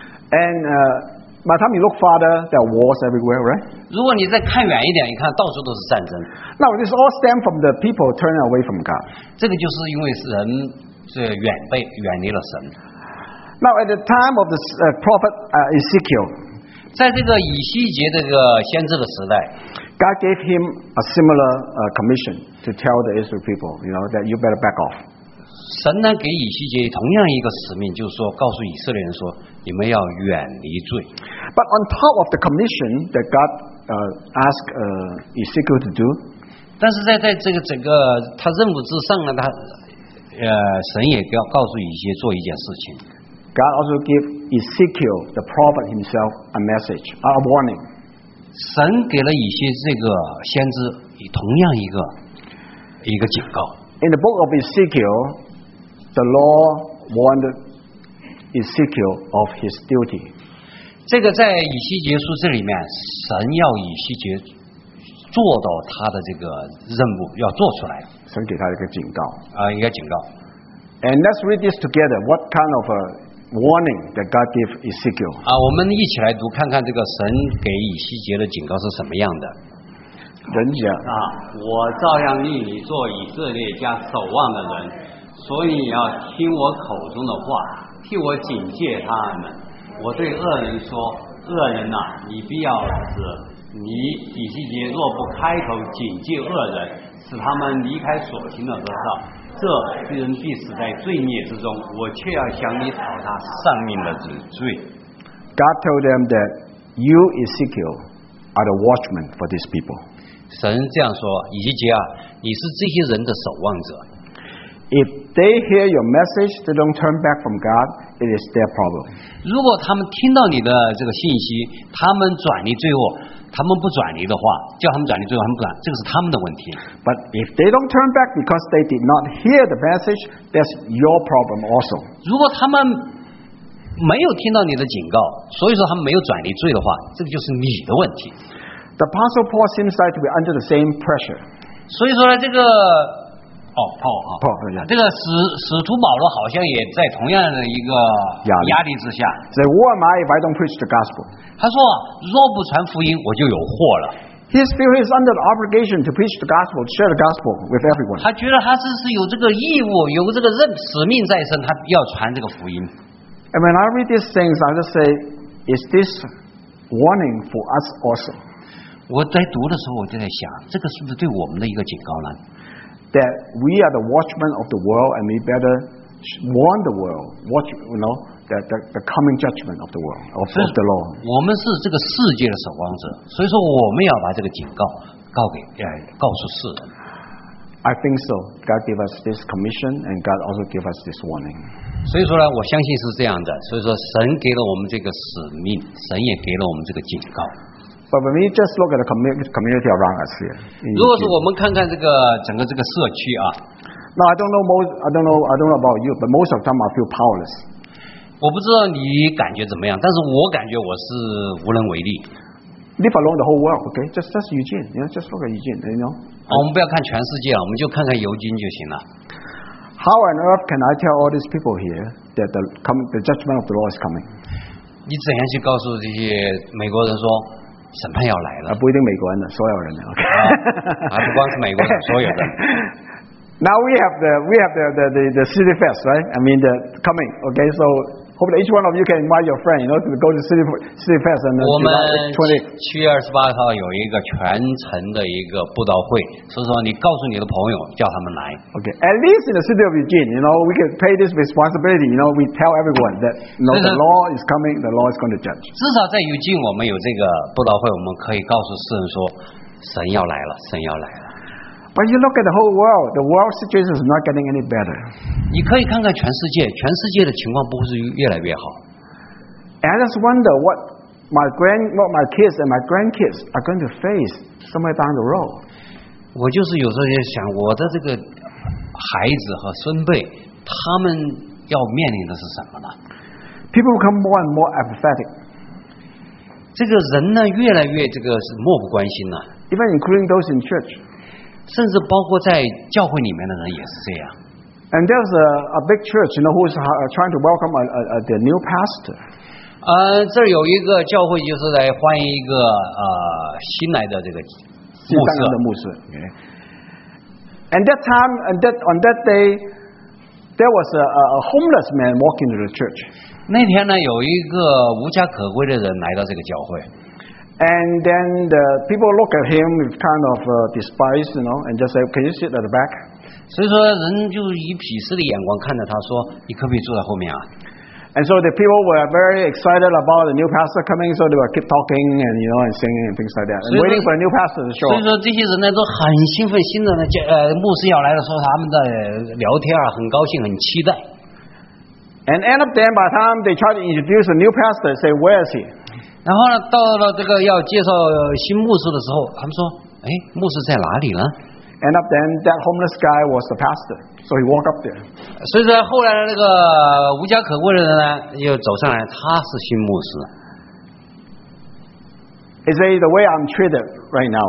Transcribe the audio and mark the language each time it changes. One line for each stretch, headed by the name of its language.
English: And by the time you look farther, there are wars everywhere, right?
Chinese: 如果你再看远一点，你看到处都是战争。
English: Now this all stems from the people turning away from God.
Chinese: 这个就是因为人是远离了神。
English: Now at the time of the prophet Ezekiel,
Chinese: 在这个以西结这个先知的时代
English: ，God gave him a similar commission to tell the Israel people, you know, that you better back off.
Chinese: 神呢给以西结同样一个使命，就是说告诉以色列人说。你们要远离罪。
English: But on top of the commission that God asked Ezekiel to do,
Chinese: 但是在这个整个他任务之上呢，他神也要告诉以西结做一件事情。
English: God also gave Ezekiel the prophet himself a message, a warning.
Chinese: 神给了以西结这个先知同样一个警告。
English: In the book of Ezekiel, the Lord warned. Ezekiel of his duty.
Chinese: 这个在以西结书这里面，神要以西结做到他的这个任务，要做出来。神给他一个警告。一个警告。
English: And let's read this together. What kind of a warning that God gave Ezekiel?
Chinese: 我们一起来读，看看这个神给以西结的警告是什么样的。人讲啊，我照样立你做以色列家守望的人，所以你要听我口中的话。替我警戒他们，我对恶人说：“恶人呐、你必要死。你以西结若不开口警戒恶人，使他们离开所行的恶道，这人必死在罪孽之中。我却要想你讨他丧命的罪。”
English: God told them that you, Ezekiel, are the watchman for these people.
Chinese: 神这样说，以西结啊，你是这些人的守望者。
English: If they hear your message, they don't turn back from God, it is their problem.
Chinese: 如果他们听到你的这个信息，他们转离罪恶，他们不转离的话，叫他们转离罪恶，他们不转，这个是他们的问题。
English: But if they don't turn back because they did not hear the message, that's your problem also.
Chinese: 如果他们没有听到你的警告，所以说他们没有转离罪的话，这个就是你的问题。
English: The Apostle Paul seems like to be under the same pressure.
Chinese: 所以说呢，这个哦 ，Paul 啊，Paul 对呀，这个使徒保罗好像也在同样的一个压力之下。
English: Say, who am I if I don't preach the gospel?
Chinese: 他说，若不传福音，我就有祸了。
English: He feels he's under the obligation to preach the gospel, to share the gospel with everyone.
Chinese: 他觉得他是有这个义务，有这个任使命在身，他要传这个福音。
English: And when I read these things, I just say, is this warning for us also?
Chinese: 我在读的时候，我就在想，这个是不是对我们的一个警告呢？
English: That we are the watchmen of the world, and we better warn the world, watch, you know, that the coming judgment of the world of the Lord.
Chinese: 我们是这个世界的守望者，所以说我们要把这个警告告诉世人。
English: I think so. God gave us this commission, and God also gave us this warning.
Chinese: 所以说呢，我相信是这样的。所以说，神给了我们这个使命，神也给了我们这个警告。
English: But when we just look at the community around us here,
Chinese: 如果是我们看看这个整个这个社区啊
English: ，No, I don't know about you, but most of them I feel powerless.
Chinese: 我不知道你感觉怎么样，但是我感觉我是无能为力。
English: Leave alone the whole world, okay? Just Eugene, you know, just look at Eugene, you know.
Chinese: 好，我们不要看全世界了，我们就看看尤金就行了。
English: How on earth can I tell all these people here that the judgment of the Lord is coming?
Chinese: 你怎样去告诉这些美国人说？审判要来了，不一定美国人的，所有人的 ，OK，还不光是美国人，所有的。
English: Now we have the city fest, right? I mean the coming, okay? So hope that each one of you can invite your friend, you know, to go to city fest and
Chinese: 我们7月28号有一个全程的一个布道会，所以说你告诉你的朋友，叫他们来。
English: Okay, at least in the city of Eugene, you know, we can pay this responsibility. You know, we tell everyone that you know, the law is coming, the law is going to judge.
Chinese: 至少在 Eugene 我们有这个布道会，我们可以告诉世人说，神要来了，神要来了。
English: But you look at the whole world, the world situation is not getting any better.
Chinese: 你可以看看全世界，全世界的情况不会是越来越好。
English: And I just wonder what my kids and my grandkids are going to face somewhere down the road.
Chinese: 我就是有时候也想我的这个孩子和孙辈他们要面临的是什么呢？
English: People become more and more apathetic.
Chinese: 这个人呢越来越这个是漠不关心了。
English: Even including those in church.
Chinese: 甚至包括在教会里面的人也是这样。
English: And there's a big church, you know, who's trying to welcome the new pastor.
Chinese: 这有一个教会就是来欢迎一个新来的这个牧师。Okay.
English: And that time, on that day, there was a homeless man walking to the church.
Chinese: 那天呢，有一个无家可归的人来到这个教会。
English: And then the people look at him with kind of despise, you know, and just say, "Can you sit at the back?"
Chinese: 所以说，人就以鄙视的眼光看着他，说：“你可不可以坐在后面啊？”
English: And so the people were very excited about the new pastor coming, so they were keep talking and you know and singing and things like that, and waiting for the new pastor to show.
Chinese: 所以说，这些人呢都很兴奋，新的牧师要来的时候，他们在聊天啊，很高兴，很期待。
English: And end of them, by the time they try to introduce the new pastor, say, "Where is he?"
Chinese: 然后呢，到了这个要介绍新牧师的时候，他们说：“哎，牧师在哪里呢？”
English: And up then, that homeless guy was the pastor, so he walked up there.
Chinese: 所以说，后来那个无家可归的人呢，又走上来，他是新牧师。
English: Is it the way I'm treated right now?